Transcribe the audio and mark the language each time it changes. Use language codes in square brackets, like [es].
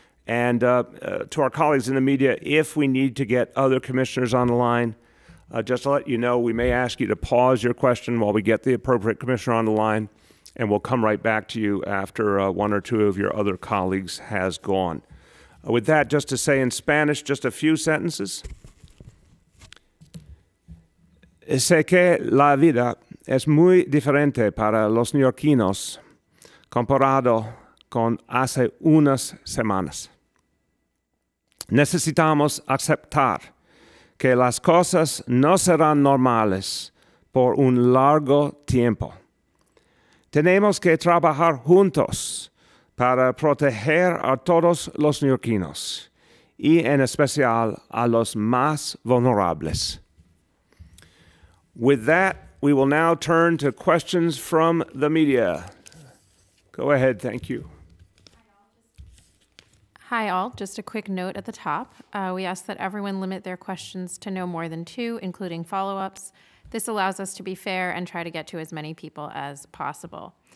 [en] And to our colleagues in the media, if we need to get other commissioners on the line, just to let you know, we may ask you to pause your question while we get the appropriate commissioner on the line, and we'll come right back to you after one or two of your other colleagues has gone. With that, just to say in Spanish, just a few sentences. [es] Sé que la vida es muy diferente para los neoyorquinos comparado con hace unas semanas. Necesitamos aceptar que las cosas no serán normales por un largo tiempo. Tenemos que trabajar juntos para proteger a todos los neoyorquinos, y en especial a los más vulnerables. [en] With that, we will now turn to questions from the media. Go ahead, thank you. Hi all, just a quick note at the top. We ask that everyone limit their questions to no more than two, including follow-ups. This allows us to be fair and try to get to as many people as possible.